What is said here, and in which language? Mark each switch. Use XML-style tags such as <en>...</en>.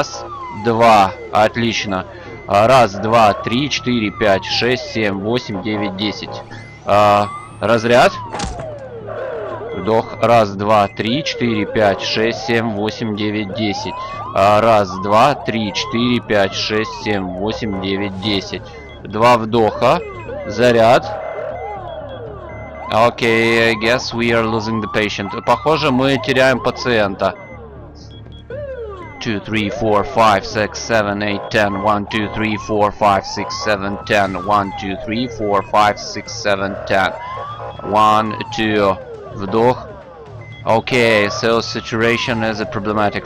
<ru>1, 2. Отлично. 1, 2, 3, 4, 5, 6, 7, 8, 9, 10. Разряд. Вдох. 1, 2, 3, 4, 5, 6, 7, 8, 9, 10. Раз, два, три, четыре, пять, шесть, семь, восемь, девять, десять. Два вдоха. Заряд.</ru> <en>Окей, I guess we are losing the patient.</en> <ru>Похоже, мы теряем пациента.</ru> <en>Two, three, four, five, six, seven, eight, ten. One, two, three, four, five, six, seven, ten. One, two, three, four, five, six, seven, ten. One, two.</en> <ru>Вдох.</ru> <en>Окей, okay, so saturation is a problematic.</en>